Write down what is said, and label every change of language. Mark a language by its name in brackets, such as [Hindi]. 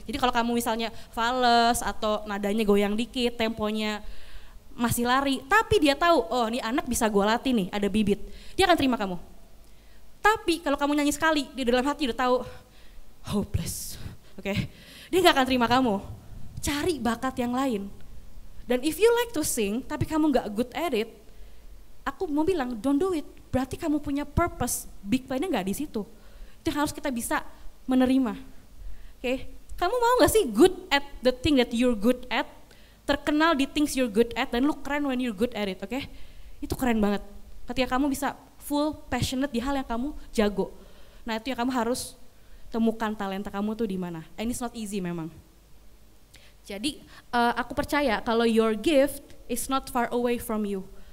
[Indonesian] Jadi kalau kamu misalnya fales atau nadanya goyang dikit, temponya masih lari, tapi dia tahu, oh ini anak bisa gue latih nih, ada bibit, dia akan terima kamu. Tapi kalau kamu nyanyi sekali, di dalam hati udah tahu hopeless, oke? [English] Okay? [Indonesian] Dia nggak akan terima kamu. Cari bakat yang lain. Dan [English] if you like to sing, [Indonesian] tapi kamu nggak [English] good at it, [Indonesian] aku mau bilang [English] don't do it. [Indonesian] Berarti kamu punya purpose, big plan-nya nggak di situ. Itu yang harus kita bisa menerima. Oke, okay. Kamu mau gak sih [English] good at the thing that you're good at, [Indonesian] terkenal di [English] things you're good at, [Indonesian] dan lu keren [English] when you're good at it, [Indonesian] oke? [English] Okay? [Indonesian] Itu keren banget, ketika kamu bisa full passionate di hal yang kamu jago. Nah itu yang kamu harus temukan talenta kamu tuh di mana. [English] And it's not easy [Indonesian] memang. Jadi aku percaya kalau [English] your gift is not far away from you.